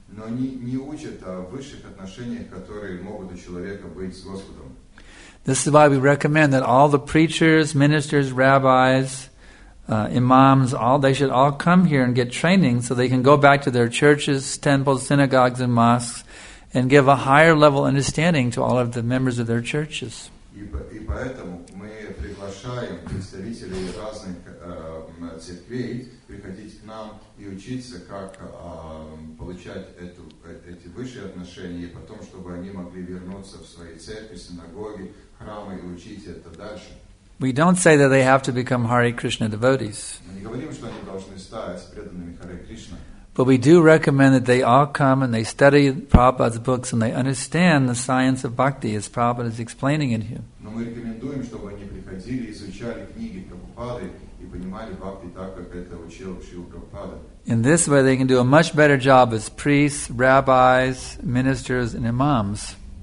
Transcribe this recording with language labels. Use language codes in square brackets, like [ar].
[ru] Но они не учат о высших отношениях, которые могут у человека быть с Господом. [en] This is why we recommend that all the preachers, ministers, rabbis, imams, they should all come here and get training so they can go back to their churches, temples, synagogues, and mosques and give a higher level understanding to all of the members of their churches. [ru] И поэтому мы приглашаем представителей разных церквей приходить к нам и учиться, как получать эти высшие отношения, и потом, чтобы они могли вернуться в свои церкви, синагоги, храмы и учить это дальше. [en] We don't say that they have to become Hare Krishna devotees. [ru] Мы не говорим, что они должны стать преданными Харе Кришна. [en] But we do recommend that they all come and they study Prabhupada's books and they understand the science of bhakti as Prabhupada is explaining it here. [ru] Но мы рекомендуем, чтобы они приходили, изучали книги Прабхупады и понимали бхакти так, как это учил Шрила Прабхупада. [en] In this way, they can do a much better job as priests, rabbis, ministers, and imams.